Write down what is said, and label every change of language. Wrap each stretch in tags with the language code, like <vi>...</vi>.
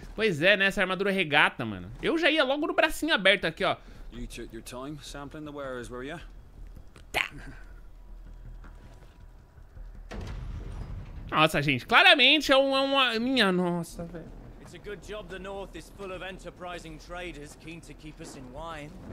<pt>Pois é, né? Essa armadura é regata, mano. Eu já ia logo no bracinho aberto aqui, ó.</pt> <en>You took your time sampling the wares, were you?</en> <pt>Nossa, gente, claramente é uma minha nossa, velho.</pt> <en>It's a good job the north is full of enterprising traders keen to keep us in wine.</en>